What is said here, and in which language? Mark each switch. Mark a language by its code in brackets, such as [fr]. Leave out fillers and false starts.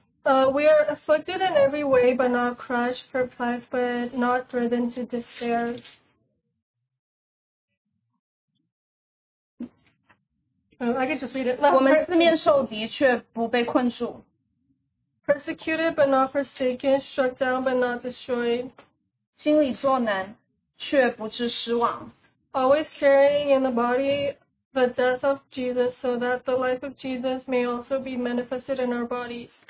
[en] We are afflicted in every way, but not crushed, perplexed, but not driven to despair. [zh] 我们四面受敌却不被困住 [en] Persecuted, but not forsaken, struck down, but not destroyed. [zh] 心里作难却不致失望 [en] Always carrying in the body the death of Jesus, so that the life of Jesus may also be manifested in our bodies.